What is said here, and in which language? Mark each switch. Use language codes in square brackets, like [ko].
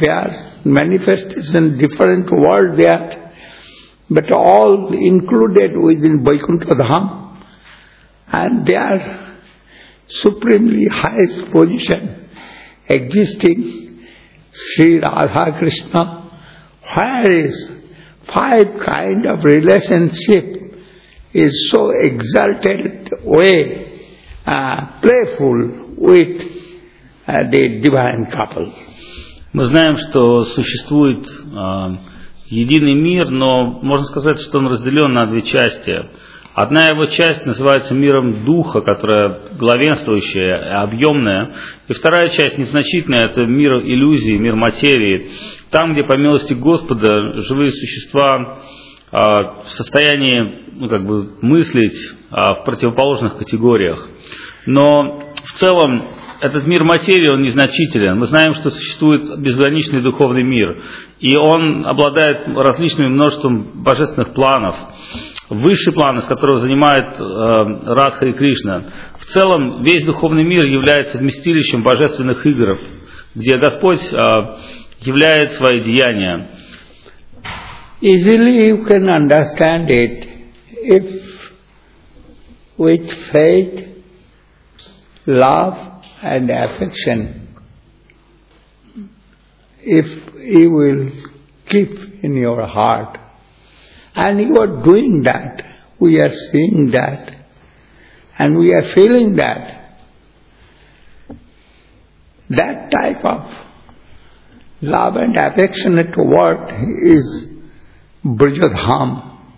[en] They are manifestation different world there, but all included within Vaikuntha Dham, and they are supremely highest position existing Sri Radha Krishna, where is five kind of relationship is so exalted way, playful with the divine couple. [ru] Мы знаем, что существует единый мир, но можно сказать, что он разделен на две части. Одна его часть называется миром духа, которая главенствующая, объемная. И вторая часть, незначительная, это мир иллюзий, мир материи. Там, где по милости Господа живые существа в состоянии мыслить в противоположных категориях. Но в целом этот мир материи, он незначителен. Мы знаем, что существует безграничный духовный мир. И он обладает различным множеством божественных планов. Высший план, из которого занимает Радха и Кришна. В целом, весь духовный мир является вместилищем божественных игр, где Господь являет свои деяния. [en] Easily you can understand it, if with faith, love and affection, if you will keep in your heart, and you are doing that, we are seeing that, and we are feeling that, that type of love and affectionate word is Brijadham.